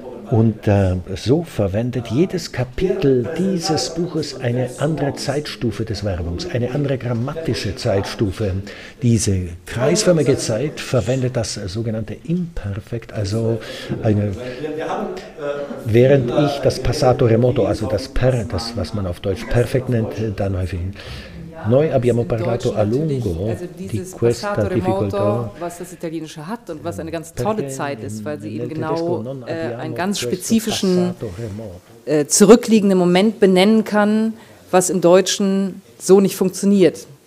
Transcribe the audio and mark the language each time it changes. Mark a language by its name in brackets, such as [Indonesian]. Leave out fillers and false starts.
[German] Und so verwendet jedes Kapitel dieses Buches eine andere Zeitstufe des Verbums, eine andere grammatische Zeitstufe. Diese kreisförmige Zeit verwendet das sogenannte Imperfekt, also eine, während ich das Passato Remoto, also das Per, das was man auf Deutsch Perfekt nennt, dann häufig. [Italian] Noi abbiamo parlato a lungo di questa difficoltà, [German] was das Italienische hat und was eine ganz tolle Zeit ist, weil sie eben genau einen ganz spezifischen zurückliegenden Moment benennen kann, was im Deutschen so nicht funktioniert.